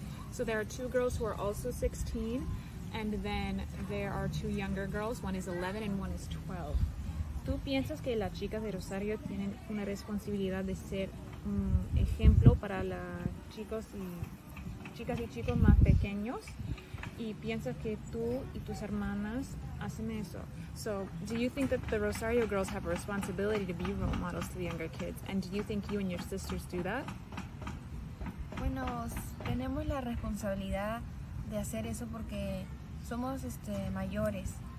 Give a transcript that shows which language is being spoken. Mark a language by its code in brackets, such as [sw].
[en] So there are two girls who are also 16, and then there are two younger girls, one is 11 and one is 12. [es] ¿Tú piensas que las chicas de Rosario tienen una responsabilidad de ser un ejemplo para las chicas y chicos más pequeños? ¿Y piensas que tú y tus hermanas hacen eso? [en] So, do you think that the Rosario girls have a responsibility to be role models to the younger kids? And do you think you and your sisters do that? [es] Bueno, tenemos la responsabilidad de hacer eso porque somos mayores.